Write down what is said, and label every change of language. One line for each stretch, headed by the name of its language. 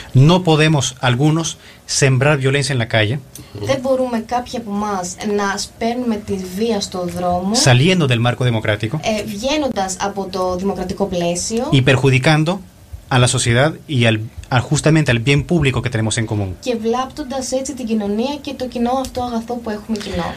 Spanish: No podemos algunos sembrar violencia en la calle.
Greek: Δεν μπορούμε κάποιοι από εμάς να σπέρνουμε τη βία στο δρόμο.
Spanish: Saliendo del marco democrático.
Greek: Βγαίνοντας από το δημοκρατικό πλαίσιο.
Spanish: Y perjudicando a la sociedad y justamente al bien público que tenemos en común.
Greek: Και βλάπτοντας έτσι την κοινωνία και το κοινό αυτό αγαθό που έχουμε κοινό.